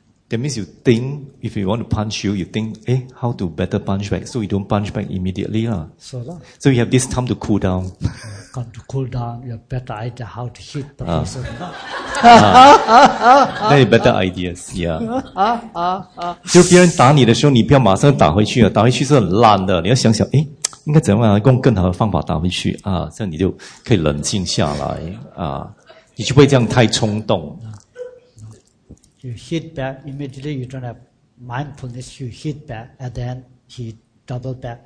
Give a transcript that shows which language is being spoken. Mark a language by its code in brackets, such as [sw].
[en] That means you think if you want to punch you, you think, hey, how to better punch back, so you don't punch back immediately lah. So lah. So you have this time to cool down. Come to cool down, you have better idea how to hit the person. Then better ideas, yeah. [zh] 就是别人打你的时候，你不要马上打回去啊！打回去是很烂的，你要想想，哎，应该怎么样用更好的方法打回去啊？这样你就可以冷静下来啊，你就不会这样太冲动。 [en] You hit back immediately. You don't have mindfulness. You hit back, and then he double back.